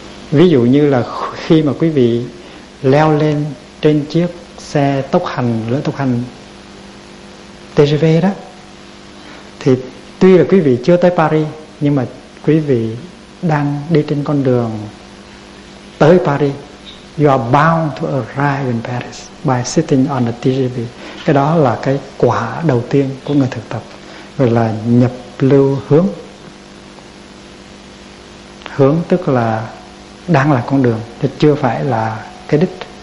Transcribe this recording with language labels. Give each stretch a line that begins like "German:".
Vietnamese: Ví dụ như là khi mà quý vị leo lên trên chiếc xe tốc hành, lửa tốc hành TGV đó, thì tuy là quý vị chưa tới Paris, nhưng mà quý vị đang đi trên con đường tới Paris.
English: You are bound to arrive in Paris by sitting on the TGV.
Vietnamese: Cái đó là cái quả đầu tiên của người thực tập, gọi là nhập lưu hướng. Hướng tức là đang là con đường, chứ chưa phải là cái đích.